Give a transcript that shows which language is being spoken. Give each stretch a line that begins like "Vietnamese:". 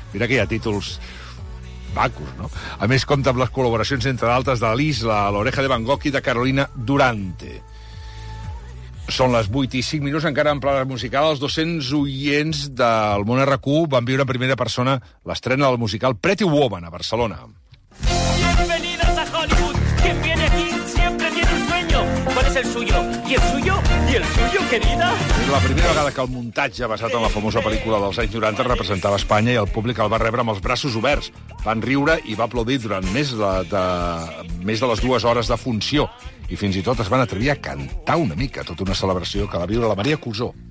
Catalan: Mira que hi ha títols macos, no? A més, compta amb les col·laboracions, entre d'altres, de l'Isla, l'Oreja de Van Gogh i de Carolina Durante. Són les 8 i 5 minuts, encara en plana musical. Els 200 oients del món RQ van viure en primera persona l'estrena del musical Pretty Woman a Barcelona.
Spanish: Bienvenidos a Hollywood. Quien viene aquí siempre tiene un sueño. ¿Cuál es el suyo? ¿Y el suyo? ¿Y el suyo, querida?
Catalan: És la primera vegada que el muntatge basat en la famosa pel·lícula dels anys 90 representava Espanya i el públic el va rebre amb els braços oberts. Van riure i va aplaudir durant més de les dues hores de funció. I fins i tot es van atrevir a cantar una mica, tota una celebració que va viure la Maria Cusó.